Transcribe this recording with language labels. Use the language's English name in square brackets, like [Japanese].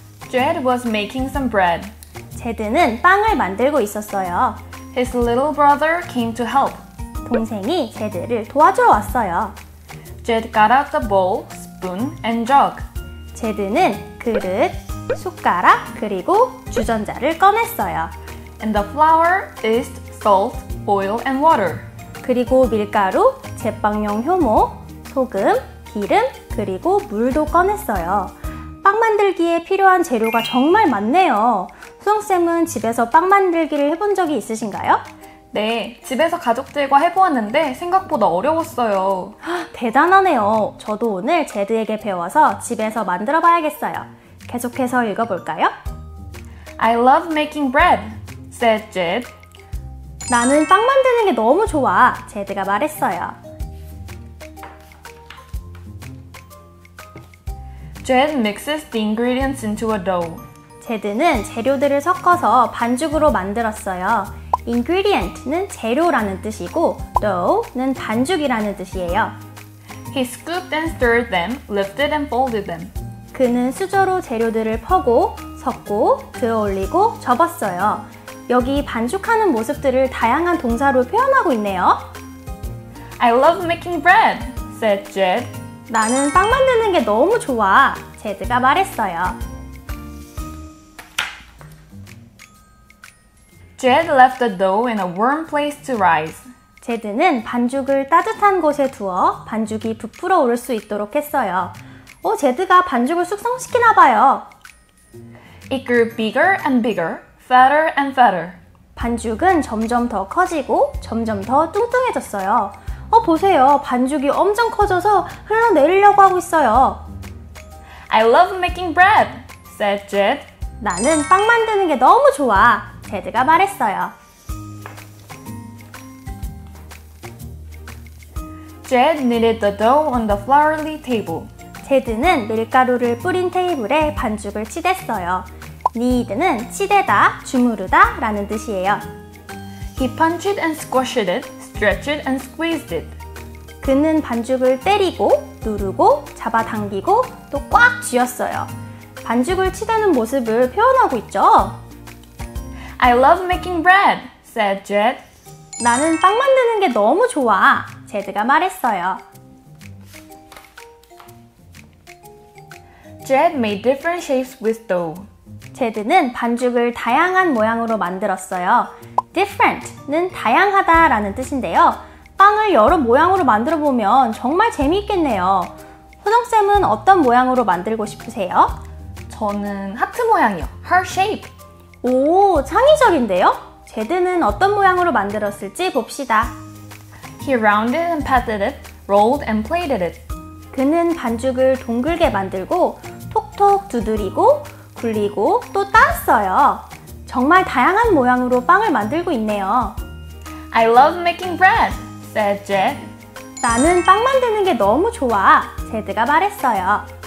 [English] Jed was making some bread. [Korean] 제드는 빵을 만들고 있었어요. [English] His little brother came to help. [Korean] 동생이 제드를 도와주러 왔어요. [English] Jed got out the bowl, spoon, and jug. [Korean] 제드는 그릇, 숟가락 그리고 주전자를 꺼냈어요. [English] And the flour, yeast, salt, oil, and water. [Korean] 그리고 밀가루, 제빵용 효모, 소금, 기름 그리고 물도 꺼냈어요. 빵 만들기에 필요한 재료가 정말 많네요. 소정쌤은 집에서 빵 만들기를 해본 적이 있으신가요? 네, 집에서 가족들과 해보았는데 생각보다 어려웠어요. 대단하네요. 저도 오늘 제드에게 배워서 집에서 만들어 봐야겠어요. 계속해서 읽어볼까요? [English] I love making bread, said Jed. [Korean] 나는 빵 만드는 게 너무 좋아, 제드가 말했어요. [English] Jed mixes the ingredients into a dough. [Korean] 제드는 재료들을 섞어서 반죽으로 만들었어요. Ingredient는 재료라는 뜻이고 dough는 반죽이라는 뜻이에요. [English] He scooped and stirred them, lifted and folded them. [Korean] 그는 수저로 재료들을 퍼고, 섞고, 들어올리고, 접었어요. 여기 반죽하는 모습들을 다양한 동사로 표현하고 있네요. [English] I love making bread, said Jed. [Korean] 나는 빵 만드는 게 너무 좋아, 제드가 말했어요. [English] Jed left the dough in a warm place to rise. [Korean] 제드는 반죽을 따뜻한 곳에 두어 반죽이 부풀어 오를 수 있도록 했어요. 오, 제드가 반죽을 숙성시키나 봐요. [English] It grew bigger and bigger, fatter and fatter. [Korean] 반죽은 점점 더 커지고 점점 더 뚱뚱해졌어요. 어, 보세요. 반죽이 엄청 커져서 흘러내리려고 하고 있어요. [English] I love making bread, said Jed. [Korean] 나는 빵 만드는 게 너무 좋아, 제드가 말했어요. [English] Jed kneaded the dough on the flourly table. [Korean] 제드는 밀가루를 뿌린 테이블에 반죽을 치댔어요. knead는 치대다, 주무르다 라는 뜻이에요. [English] He punched and squashed it, stretched and squeezed it. [Korean] 그는 반죽을 때리고, 누르고, 잡아당기고, 또 꽉 쥐었어요. 반죽을 치대는 모습을 표현하고 있죠? [English] I love making bread, said Jed. [Korean] 나는 빵 만드는 게 너무 좋아, 제드가 말했어요. [English] Jed made different shapes with dough. [Korean] 제드는 반죽을 다양한 모양으로 만들었어요. Different는 다양하다 라는 뜻인데요. 빵을 여러 모양으로 만들어 보면 정말 재미있겠네요. 소정쌤은 어떤 모양으로 만들고 싶으세요? 저는 하트 모양이요. [English] Heart shape. [Korean] 오, 창의적인데요? 제드는 어떤 모양으로 만들었을지 봅시다. [English] He rounded and patted it, rolled and plated it. [Korean] 그는 반죽을 동글게 만들고 톡톡 두드리고 굴리고 또 땄어요. 정말 다양한 모양으로 빵을 만들고 있네요. [English] I love making bread, said Jed. [Korean] 나는 빵 만드는 게 너무 좋아, 제드가 말했어요.